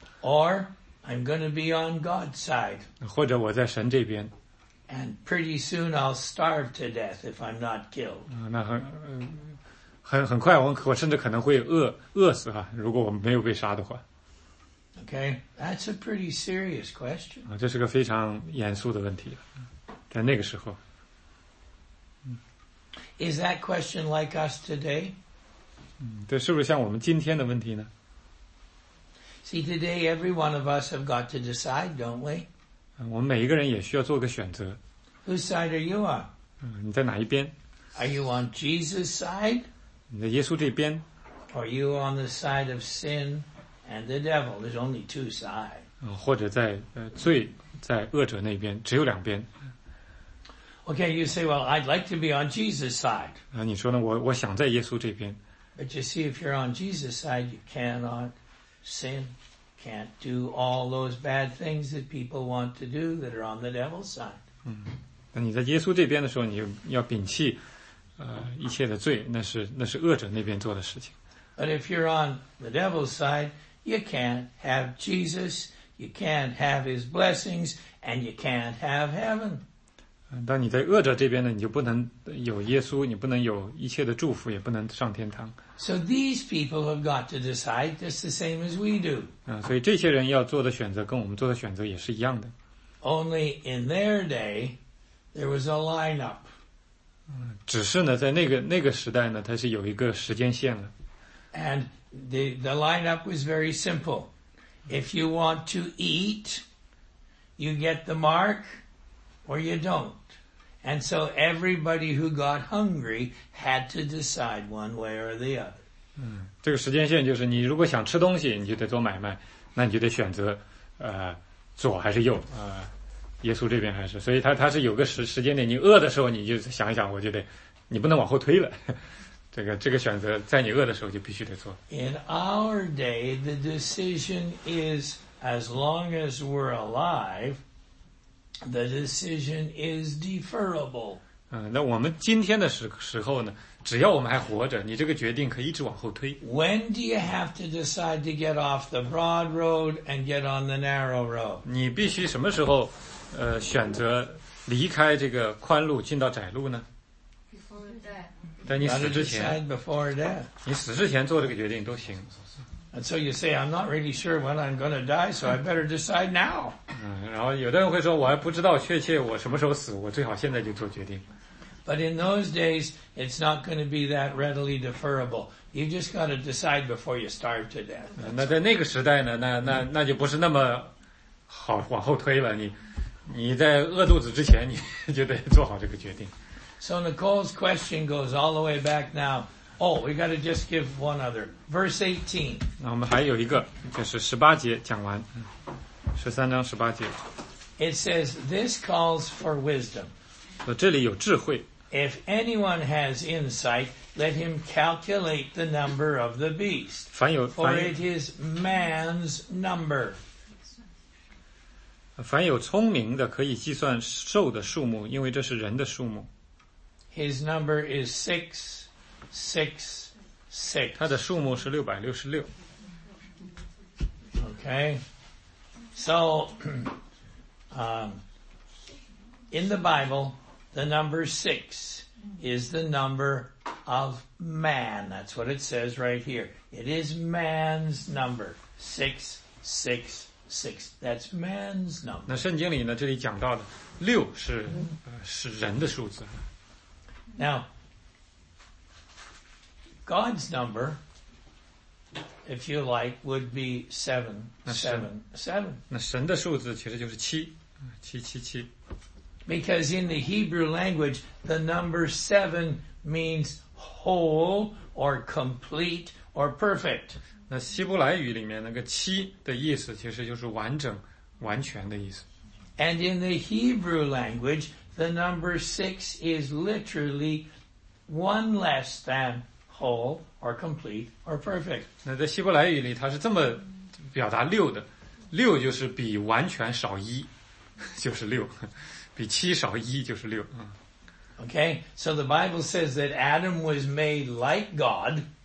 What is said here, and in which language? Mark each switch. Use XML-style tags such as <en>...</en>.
<en>Or, I'm going to be on God's side.</en> <zh>或者我在神这边。</zh> <en>And pretty soon I'll starve to death if I'm not killed.</en> <zh>那很快我甚至可能会饿死啊如果我没有被杀的话。</zh> <en>Okay, that's a pretty serious question.</en> <zh>这是个非常严肃的问题在那个时候。</zh> <en>Is that question like us today?</en> <zh>这是不是像我们今天的问题呢</zh> <en>See, today every one of us have got to decide, don't we?</en> <zh>我们每一个人也需要做个选择。</zh> <en>Whose side are you on?</en> <zh>你在哪一边</zh> <en>Are you on Jesus' side?</en> <zh>你在耶稣这边</zh> <en>Or are you on the side of sin? And the devil, there's only two sides.</en> <zh>或者在罪在恶者那边只有两边。</zh> <en>Okay, you say, well, I'd like to be on Jesus' side.</en> <zh>你说呢我想在耶稣这边。</zh> <en>But you see, if you're on Jesus' side, you cannot sin, can't do all those bad things that people want to do that are on the devil's side.</en> <zh>那你在耶稣这边的时候你要摒弃一切的罪那是恶者那边做的事情。</zh> <en>But if you're on the devil's side, you can't have Jesus, you can't have his blessings, and you can't have heaven.</en> <zh>当你在恶者这边呢，你就不能有耶稣，你不能有一切的祝福，也不能上天堂。</zh> <en>So these people have got to decide just the same as we do.</en> <zh>所以这些人要做的选择跟我们做的选择也是一样的。</zh> <en>Only in their day, there was a lineup.</en> <zh>只是呢，在那个时代呢，它是有一个时间线了。</zh> <en>And the lineup was very simple. If you want to eat, you get the mark, or you don't. And so everybody who got hungry had to decide one way or the other.</en> <zh>这个时间线就是你如果想吃东西，你就得做买卖，那你就得选择左还是右耶稣这边还是。所以它是有个时间点，你饿的时候你就想一想，我就得，你不能往后推了。这个选择在你饿的时候就必须得做。</zh> <en>In our day, the decision is, as long as we're alive, the decision is deferable.</en> <zh>那我们今天的时候呢，只要我们还活着，你这个决定可以一直往后推。</zh> <en>When do you have to decide to get off the broad road and get on the narrow road?</en> <zh>你必须什么时候，选择离开这个宽路，进到窄路呢？在你死之前，你死之前做这个决定都行。</zh> <en>And so you say, I'm not really sure when I'm going to die, so I better decide now.</en> <zh>然后有的人会说，我还不知道确切我什么时候死，我最好现在就做决定。</zh> <en>But in those days, it's not going to be that readily deferable. You've just got to decide before you starve to death.</en> <zh>那在那个时代呢，那就不是那么好往后推了。你在饿肚子之前，你就得做好这个决定。</zh> <en>So Nicole's question goes all the way back now. Oh, we got to just give one other. Verse 18.</en> <zh>那我们还有一个，就是18节讲完。 13章18节。</zh> <en>It says, this calls for wisdom.</en> <zh>这里有智慧。</zh> <en>If anyone has insight, let him calculate the number of the beast. For it is man's number.</en> <zh>凡有聪明的可以计算兽的数目，因为这是人的数目。</zh> <en>His number is 666.</en> <zh>他的数目是666.</zh> <en>Okay. So, in the Bible, the number 6 is the number of man. That's what it says right here. It is man's number. 666. That's man's number.</en> <zh>那圣经里呢，这里讲到的六是人的数字。</zh> <en>Now, God's number if you like, would be seven, seven, seven.</en> <zh>那神的数字其实就是七，七七七。</zh> <en>Because in the Hebrew language, the number seven means whole or complete or perfect.</en> <zh>那希伯来语里面那个七的意思其实就是完整、完全的意思。</zh> <en>And in the Hebrew language, the number six is literally one less than whole or complete or perfect.</en> <zh>那在希伯来语里它是这么表达六的，六就是比完全少一，就是六。比七少一就是六。</zh> <en>Okay, so the Bible says that Adam was made like God.</en>